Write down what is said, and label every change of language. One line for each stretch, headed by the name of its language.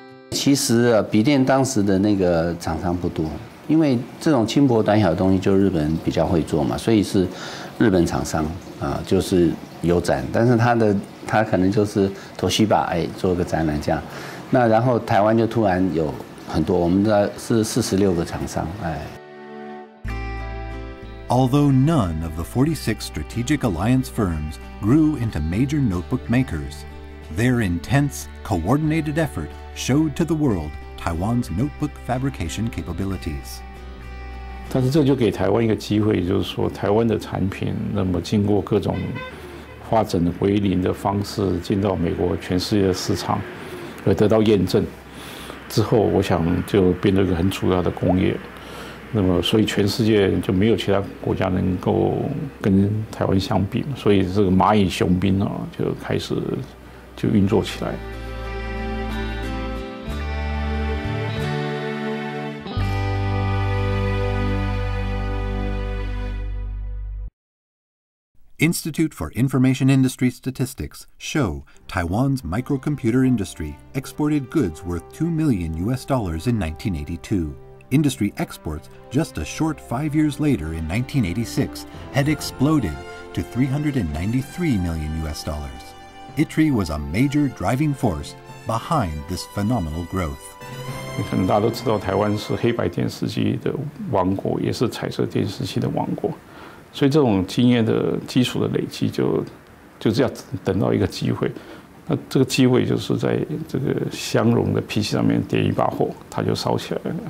Chinese: 其实笔电当时的那个厂商不多，因为这种轻薄短小的东西就日本人比较会做嘛，所以是日本厂商就是有展，但是他可能就是Toshiba做个展览这样。那然后台湾就突然有很多，我们在是46个厂商，哎。
English: Although none of the 46 strategic alliance firms grew into major notebook makers, their intense, coordinated effort showed to the world Taiwan's notebook fabrication capabilities.
Chinese: 但是这就给台湾一个机会，就是说台湾的产品，那么经过各种化整为零的方式进到美国全世界的市场，而得到验证之后，我想就变成一个很主要的工业。那么，所以全世界就没有其他国家能够跟台湾相比，所以这个蚂蚁雄兵啊，就开始就运作起来。
English: Institute for Information Industry Statistics show Taiwan's microcomputer industry exported goods worth $2 million in 1982. Industry exports, just a short 5 years later in 1986, had exploded to $393 million. ITRI was a major driving force behind this phenomenal growth.
Chinese: 大家都知道台湾是黑白电视机的王国，也是彩色电视机的王国，所以这种经验的基础的累积就这样等到一个机会。那这个机会就是在这个相容的 PC 上面点一把火，它就烧起来了。